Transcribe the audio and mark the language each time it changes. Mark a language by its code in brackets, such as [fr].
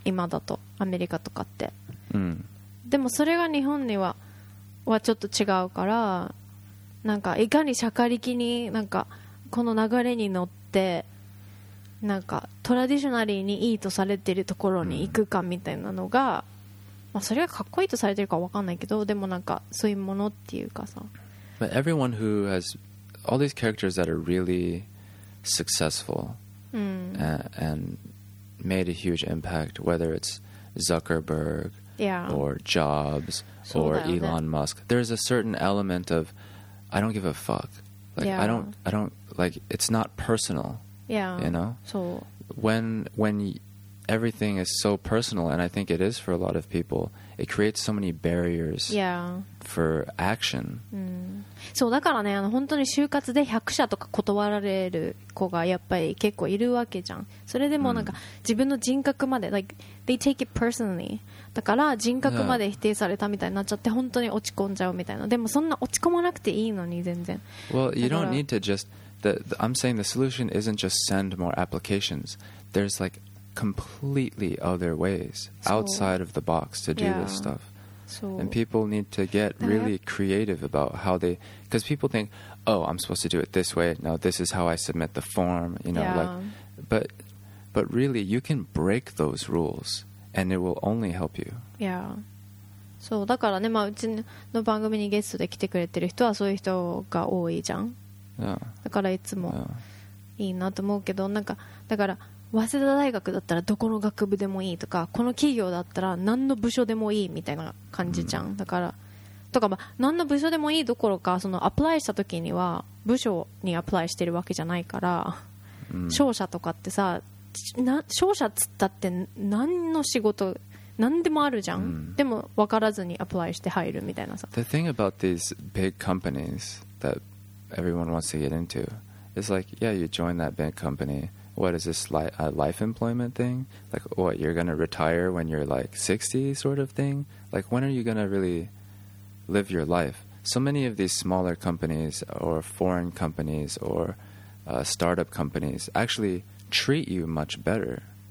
[ja] 今だとアメリカとかって。でもそれが日本にはちょっと違うから、なんかいかにしゃかりきになんかこの流れに乗ってなんかトラディショナリーにいいとされてるところに行くかみたいなのが。まあ、それがかっこいいとされてるかわかんないけど、でもなんかそういうものっていうかさ。 [en] But everyone who has all these characters that are really successful and made a huge impact, whether it's Zuckerberg or Jobs or Elon Musk, there's a certain element of I don't give a fuck. Like I don't like it's not personal. Yeah. You know. So when Everything is so personal, and I think it is for a lot of people. It creates so many barriers for action. [ja] So, だからね、あの本当に就活で100社とか断られる子がやっぱり結構いるわけじゃん。それでもなんか自分の人格まで、 like, they take it personally. だから人格まで否定されたみたいになっちゃって本当に落ち込んじゃうみたいな。でもそんな落ち込まなくていいのに全然。 [en] Well, you don't need to just. I'm saying the solution isn't just send more applications. There's like. Completely other ways outside of the box to do this stuff. So, and people need to get really creative about how they, because people think, oh, I'm supposed to do it this way. Now this is how I submit the form, you know, like, but really you can break those rules and it will only help you. Yeah. [ja] So, だからね、まあ、うちの番組にゲストで来てくれてる人はそういう人が多いじゃん。だからいつもいいなと思うけど、なんかだから早稲田大学だったらどこの学部でもいいとか、この企業だったら何の部署でもいいみたいな感じじゃん。だからとか、まあ、何の部署でもいいどころか、そのアプライした時には部署にアプライしてるわけじゃないから、うん、商社とかってさ、商社つったって何の仕事何でもあるじゃん、うん、でも分からずにアプライして入るみたいなさ。 [en] The thing about these big companies that everyone wants to get into is like, yeah, you join that big company. What is this, a life employment thing? Like, what, you're going to retire when you're like 60 sort of thing? Like, when are you going to really live your life? So many of these smaller companies or foreign companies or startup companies actually treat you much better.